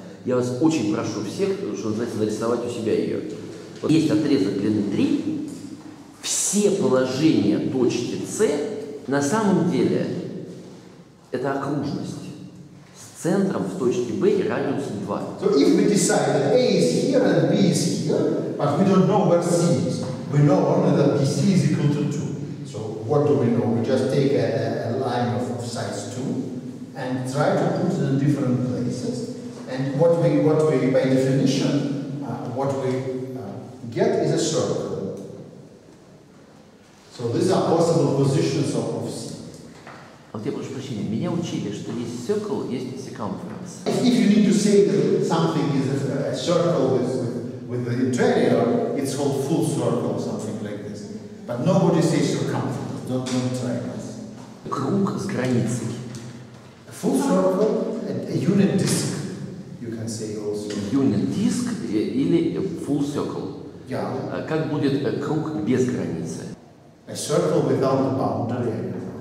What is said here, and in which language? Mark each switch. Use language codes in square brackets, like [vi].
[ru] Я вас очень прошу всех, чтобы, знаете, нарисовать у себя ее. Вот есть отрезок длины 3. Все положения точки C на самом деле это окружность с центром в точке B и радиусом 2. 2. [en] So if we decide that A is here and B is here, but we don't know where C is, we know only that BC is equal to 2. So what do we know? We just take a line of size 2 and try to put it in different places. And what we by definition, what we get is a circle. So these are possible positions of C. [ru] Вот я прошу прощения, меня учили, что есть circle, есть circumference. [en] If you need to say that something is a circle with the interior, it's called full circle or something like this. But nobody says circumference, don't try us. [ru] Круг с границей. [en] A full circle, a unit disk, you can say also. Unit disk или full circle. Yeah. [ru] Как будет круг без границы? [en] A circle without a boundary.